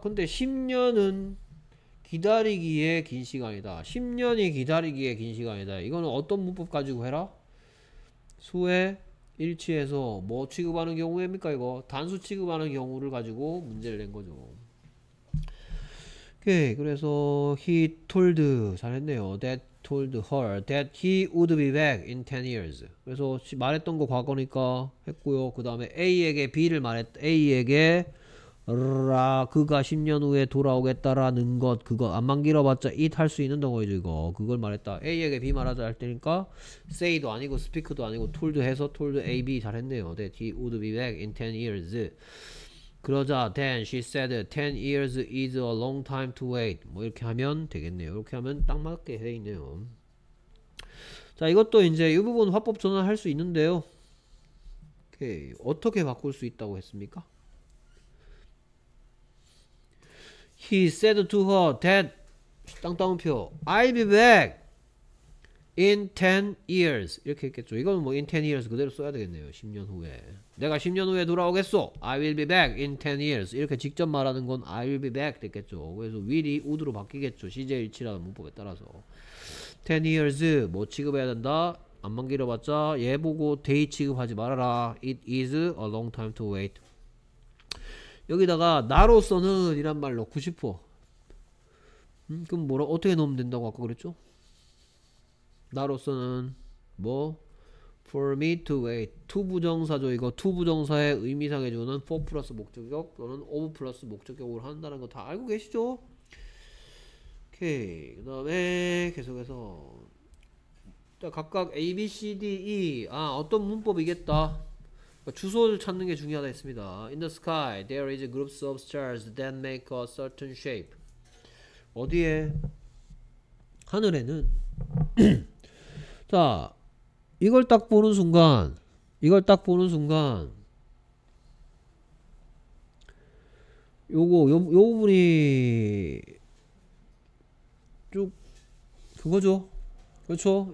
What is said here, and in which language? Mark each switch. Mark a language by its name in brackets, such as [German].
[Korean] 근데 10년은 기다리기에 긴 시간이다. 10년이 기다리기에 긴 시간이다. 이거는 어떤 문법 가지고 해라? 수의 일치해서 뭐 취급하는 경우입니까 이거? 단수 취급하는 경우를 가지고 문제를 낸 거죠. 오케이. 그래서 [English] he told [Korean] 잘했네요. [English] that told her that he would be back in 10 years. [Korean] 그래서 말했던 거 과거니까 했고요. 그다음에 A에게 B를 말했 A에게 라 그가 10년 후에 돌아오겠다라는 것 그거 암만 길어봤자 it 할수 있는 덩어리죠 이거 그걸 말했다 A에게 B 말하자 할 때니까 say도 아니고 speak도 아니고 told 해서 told A B 잘했네요 [English] that he would be back in 10 years [Korean] 그러자 [English] then she said 10 years is a long time to wait [Korean] 뭐 이렇게 하면 되겠네요 이렇게 하면 딱 맞게 돼 있네요 자 이것도 이제 이 부분 화법 전환할 수 있는데요 오케이 어떻게 바꿀 수 있다고 했습니까? [English] He said to her that [Korean] 땅따옴표 [English] I'll be back In 10 years [Korean] 이렇게 했겠죠. 이거는 뭐 [English] in 10 years [Korean] 그대로 써야 되겠네요. 10년 후에 내가 10년 후에 돌아오겠소. [English] I will be back in 10 years [Korean] 이렇게 직접 말하는 건 [English] I will be back [Korean] 됐겠죠. 그래서 will이 would로 바뀌겠죠. 시제일치라는 문법에 따라서 10 years 뭐 취급해야 된다. 안만 길어봤자 얘 보고 day 취급하지 말아라. [English] It is a long time to wait. [Korean] 여기다가 나로서는 이란 말 넣고 싶어. 그럼 뭐라 어떻게 넣으면 된다고 아까 그랬죠? 나로서는 뭐 [English] for me to wait. [Korean] to 부정사죠. 이거 to 부정사의 의미상 해주는 for 플러스 목적격 또는 of 플러스 목적격으로 한다는 거 다 알고 계시죠? 오케이. 그 다음에 계속해서 자 각각 a b c d e 아 어떤 문법이겠다. 주소를 찾는 게 중요하다 했습니다. [English] In the sky there is groups of stars that make a certain shape. [Korean] 어디에? 하늘에는 자 이걸 딱 보는 순간 이걸 딱 보는 순간 요거 요 부분이 쭉 그거죠? 그렇죠?